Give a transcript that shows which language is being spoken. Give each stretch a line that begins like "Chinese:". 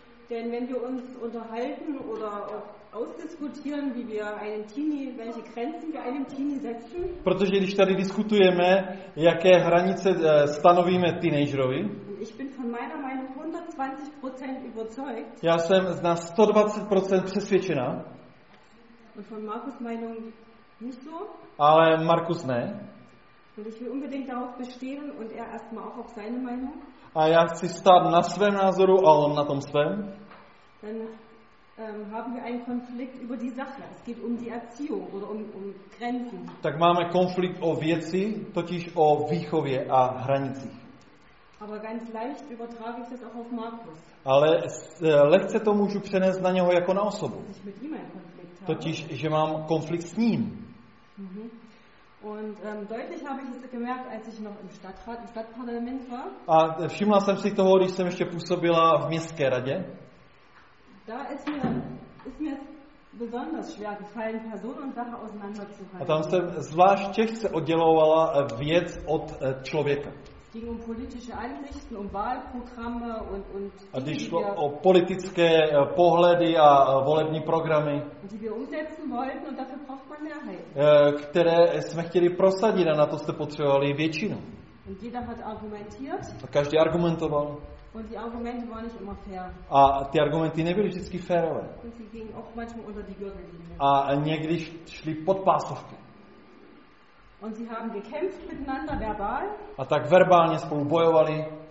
German: Denn wenn wir uns unterhalten oder ausdiskutieren, wie wir einen Teenie, welche Grenzen wir einem Teenie setzen.
Czech: Protože když tady diskutujeme, jaké hranice stanovíme teenagerovi.
German: Ich bin von meiner Meinung 120% überzeugt.
Czech: Já jsem na 120% přesvědčená.
German: Und von Markus Meinung nicht so.
Czech: Ale Markus ne.
German: Und ich will unbedingt darauf bestehen und er erstmal auch auf seine Meinung.
Czech: A já chci stát na svém názoru a on na tom svém.
German: Dann haben wir einen Konflikt über die Sache. Es geht um die Erziehung oder um Grenzen.
Czech: Tak máme konflikt o věci, totiž o výchově a hranicích.
German: Aber ganz leicht übertrage ich das auch auf Markus.
Czech: Ale lehce to můžu přenést na něho jako na osobu.
German: Dass ich mit ihm einen Konflikt habe.
Czech: Totiž, že mám konflikt s ním. Mhm.
German: Und deutlich habe ich es gemerkt, als ich noch im Stadtrat, im Stadtparlament war.
Czech: A všimla jsem si toho, když jsem ještě působila v městské radě.
German: Da ist mir besonders schwer gefallen, Person und Sache auseinanderzuhalten.
Czech: A tam jsem zvlášť těžce oddělovala věc od člověka.
German: Es ging um politische Ansichten, um Wahlprogramme und
Czech: a když šlo o politické pohledy a volební programy,
German: die wir umsetzen wollten und dafür braucht man Mehrheit.
Czech: Které jsme chtěli prosadit a na to jste potřebovali většinu.
German: Und jeder hat argumentiert.
Czech: A každý argumentoval.
German: Und die Argumente waren nicht immer fair.
Czech: A ty argumenty nebyly vždycky férové.
German: Und sie gingen auch manchmal unter die Gürtellinie.
Czech: A někdy šli pod pásovky.
German: Und sie haben gekämpft miteinander verbal.
Czech: A tak verbálně spolu bojovali.